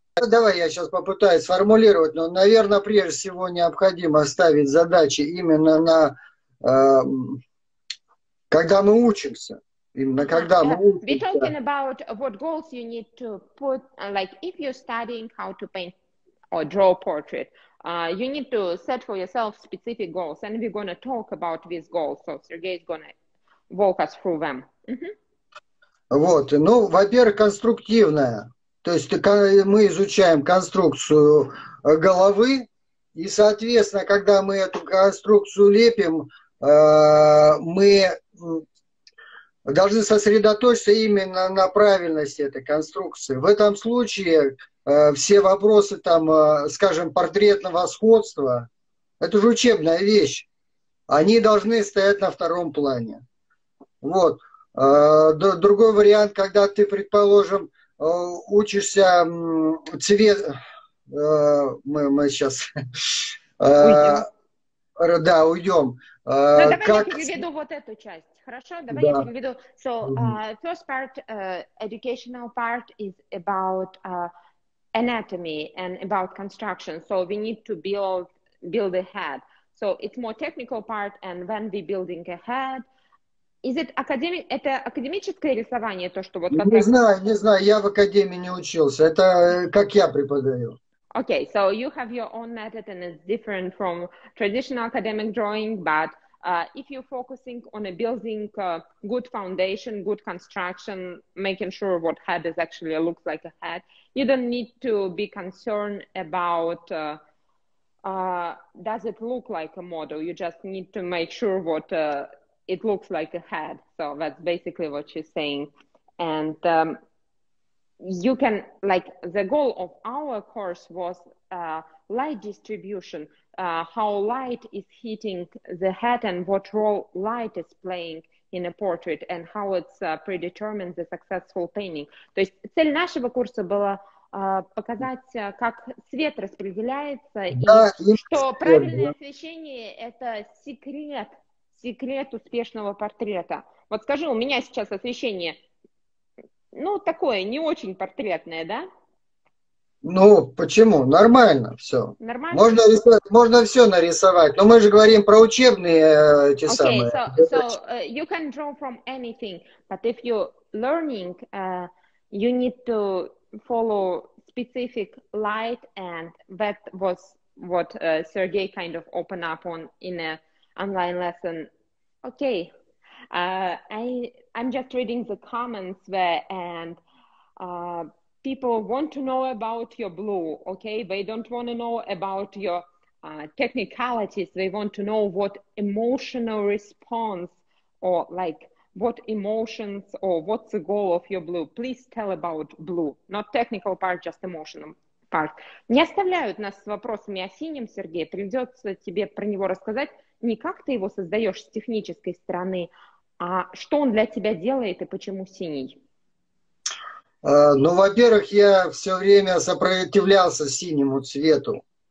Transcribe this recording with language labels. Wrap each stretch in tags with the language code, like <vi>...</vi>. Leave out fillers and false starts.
<ru>Давай я сейчас попытаюсь сформулировать, но, наверное, прежде всего необходимо ставить задачи именно на, когда мы учимся, именно когда мы учимся.</ru> <en>We're talking about what goals you need to put, like if you're studying how to paint or draw a portrait, you need to set for yourself specific goals, and we're going to talk about these goals, so Sergey is going to walk us through them.</en> <ru>Вот, ну, во-первых, конструктивная. То есть мы изучаем конструкцию головы, и, соответственно, когда мы эту конструкцию лепим, мы должны сосредоточиться именно на правильности этой конструкции. В этом случае все вопросы, там, скажем, портретного сходства, это же учебная вещь, они должны стоять на втором плане. Вот. Другой вариант, когда ты, предположим, учишься цвет, мы сейчас уйдем. Да, уйдем. Давай как... я переведу вот эту часть. Хорошо, давай да. Я переведу.</ru> <en>So, first part, educational part is about anatomy and about construction. So we need to build a head. So it's more technical part, and when we building a head. Is it academic?</en> <ru>Это академическое рисование, то, что вот... Не знаю, я в академии не учился. Это как я преподаю.</ru> <en>Okay, so you have your own method and it's different from traditional academic drawing, but If you're focusing on a building, good foundation, good construction, making sure what head is actually looks like a head, you don't need to be concerned about does it look like a model. You just need to make sure what it looks like a head. So that's basically what you're saying. And you can, like, the goal of our course was light distribution. How light is hitting the head and what role light is playing in a portrait and how it's predetermines the successful painting.</en> <ru>То есть цель нашего курса была показать, как свет распределяется, да, и что правильное освещение – это секрет успешного портрета. Вот скажи, у меня сейчас освещение, ну, такое, не очень портретное, да? Ну, почему? Нормально все. Нормально? Можно рисовать, можно все нарисовать. Но мы же говорим про учебные эти</ru> <en>okay,</en> <ru>самые.</ru> <en>So you can draw from anything, but if you're learning, you need to follow specific light, and that was what Sergey kind of opened up on in an online lesson. Okay. I'm just reading the comments there, and people want to know about your blue, okay? They don't want to know about your technicalities. They want to know what emotional response or, like, what emotions or what's the goal of your blue. Please tell about blue. Not technical part, just emotional part.</en> <ru>Не оставляют нас с вопросами о синем, Сергей. Придется тебе про него рассказать. Не как ты его создаешь с технической стороны, а что он для тебя делает и почему синий? Ну, во-первых, я все время сопротивлялся синему цвету.</ru>